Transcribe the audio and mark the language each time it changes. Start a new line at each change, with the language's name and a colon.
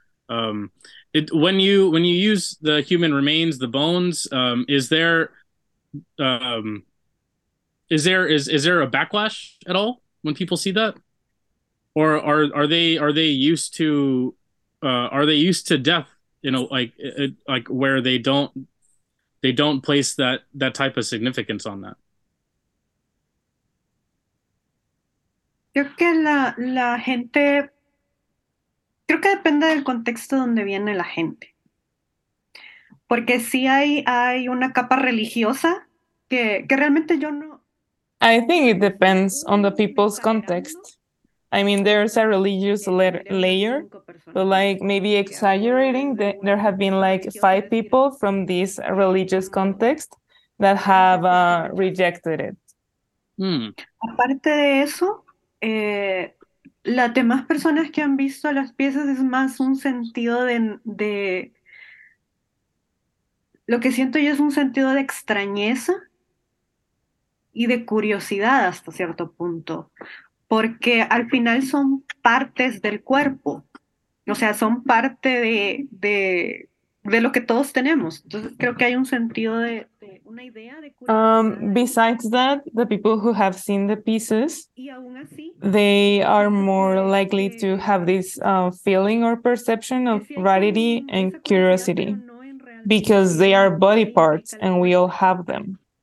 English: When you use the human remains, the bones, is there a backlash at all when people see that, or are they used to death, you know, like where they don't place that type of significance on that?
Spanish: Creo que la gente, creo que depende del contexto donde viene la gente. Porque si hay una capa religiosa que realmente yo no...
English: I think it depends on the people's context. I mean, there's a religious layer, but like maybe exaggerating, there have been like 5 people from this religious context that have rejected it.
Spanish: Aparte de eso, las demás personas que han visto las piezas es más un sentido de lo que siento yo es un sentido de extrañeza y de curiosidad hasta cierto punto, porque al final son partes del cuerpo, o sea, son parte de lo que todos tenemos. Entonces creo que hay un sentido de una idea de curiosidad.
English: Besides that, the people who have seen the pieces, they are more likely to have this feeling or perception of rarity and curiosity because they are body parts and we all have them.